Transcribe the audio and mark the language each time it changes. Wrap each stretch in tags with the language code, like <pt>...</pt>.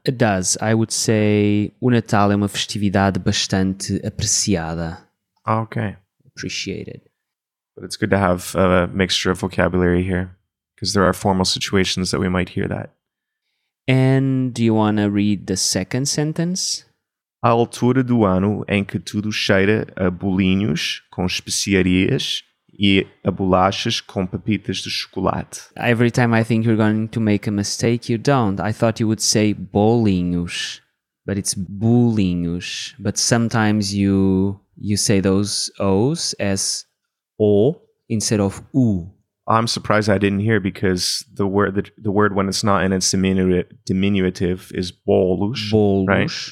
<en>It does. I would say</en> <pt>o Natal é uma festividade bastante apreciada.</pt> <en>Okay. Appreciated. But it's good to have a mixture of vocabulary here, because there are formal situations that we might hear that. And do you want to read the second sentence?</en> <pt>À altura do ano em que tudo cheira a bolinhos com especiarias e a bolachas com pepitas de chocolate.</pt> <en>Every time I think you're going to make a mistake, you don't. I thought you would say bolinhos, but it's bolinhos. But sometimes you say those O's as O instead of U. I'm surprised I didn't hear, because the word when it's not in its diminutive is bolos, right?</en>